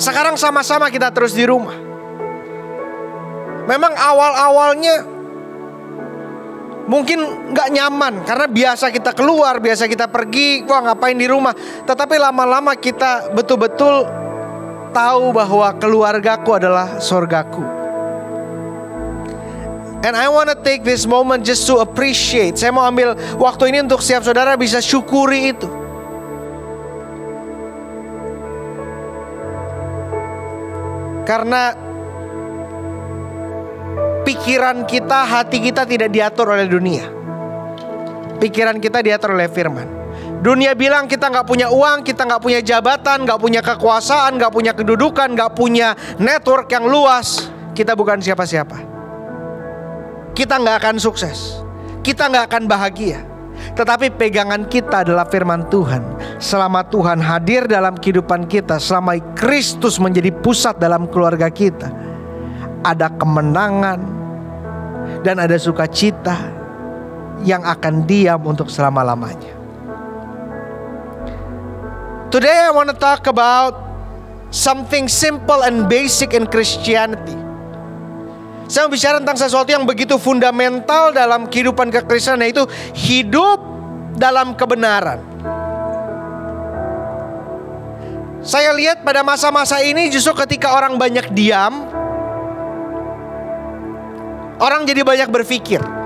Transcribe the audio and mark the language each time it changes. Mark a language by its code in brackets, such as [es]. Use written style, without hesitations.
[id] Sekarang sama-sama kita terus di rumah. Memang awal-awalnya mungkin gak nyaman, karena biasa kita keluar, biasa kita pergi, wah ngapain di rumah. Tetapi lama-lama kita betul-betul tahu bahwa keluargaku adalah surgaku. [en] And I wanna take this moment just to appreciate. [id] Saya mau ambil waktu ini untuk setiap saudara bisa syukuri itu. Karena pikiran kita, hati kita tidak diatur oleh dunia. Pikiran kita diatur oleh firman. Dunia bilang kita gak punya uang, kita gak punya jabatan, gak punya kekuasaan, gak punya kedudukan, gak punya network yang luas. Kita bukan siapa-siapa. Kita gak akan sukses. Kita gak akan bahagia. Tetapi pegangan kita adalah firman Tuhan. Selama Tuhan hadir dalam kehidupan kita, selama Kristus menjadi pusat dalam keluarga kita, ada kemenangan dan ada sukacita yang akan diam untuk selama-lamanya. [en] Today I want to talk about something simple and basic in Christianity. [id] Saya mau bicara tentang sesuatu yang begitu fundamental dalam kehidupan kekristenan, yaitu hidup dalam kebenaran. Saya lihat pada masa-masa ini justru ketika orang banyak diam, orang jadi banyak berpikir.